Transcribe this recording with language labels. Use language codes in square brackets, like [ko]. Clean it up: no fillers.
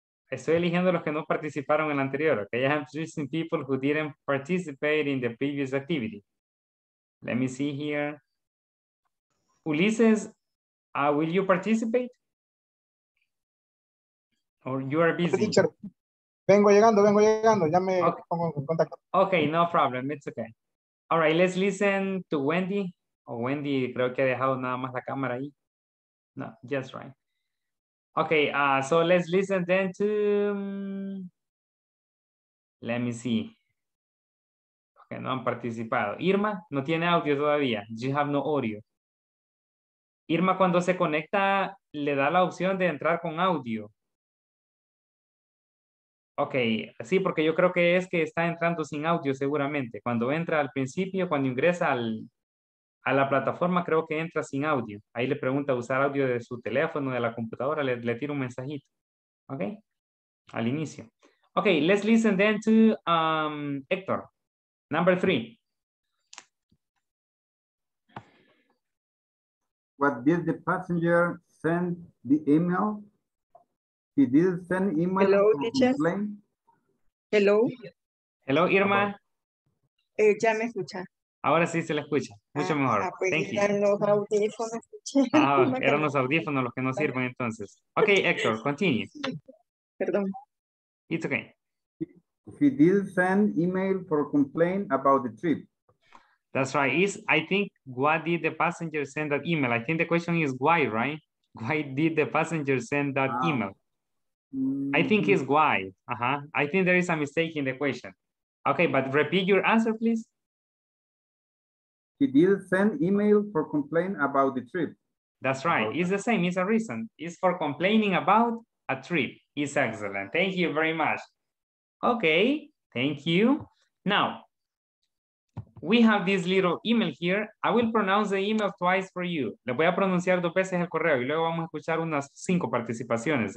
[es] Estoy eligiendo los que no participaron en la anterior. [en] Okay, I'm choosing people who didn't participate in the previous activity. Let me see here. Ulises, will you participate? Or you are busy? [es] Teacher, vengo llegando. Ya me pongo en contacto. [en] Okay, no problem. It's okay. All right, let's listen to Wendy. [es] Oh, Wendy, creo que ha dejado nada más la cámara ahí. [en] No, just right. Okay, so let's listen then to, let me see. [es] Okay, no han participado. Irma, no tiene audio todavía. [en] You have no audio. [es] Irma, cuando se conecta, le da la opción de entrar con audio. Okay, sí, porque yo creo que es que está entrando sin audio seguramente. Cuando entra al principio, cuando ingresa al... A la plataforma creo que entra sin audio. Ahí le pregunta usar audio de su teléfono, de la computadora, le tira un mensajito. Ok, al inicio. [en] Ok, let's listen then to Héctor, number three. What did the passenger send the email? He did send email. Hello, teacher. Complain. Hello. Hello, Irma. [es] Hello. Ya me escucha. Ahora sí se la escucha, mucho mejor. Pues, [en] thank you. [es] Eran los audífonos. Eran los audífonos los que no sirven entonces. [en] Ok, Héctor, continue. [es] Perdón. [en] It's okay. He did send email for complaint about the trip. That's right. Is, I think, why did the passenger send that email? I think the question is why, right? Why did the passenger send that email? I think it's why. I think there is a mistake in the question. Ok, but repeat your answer, please. He did send email for complaint about the trip. That's right. Okay. It's the same. It's a reason. It's for complaining about a trip. It's excellent. Thank you very much. Okay. Thank you. Now, we have this little email here. I will pronounce the email twice for you. [es] Le voy a pronunciar dos veces el correo y luego vamos a escuchar unas cinco participaciones.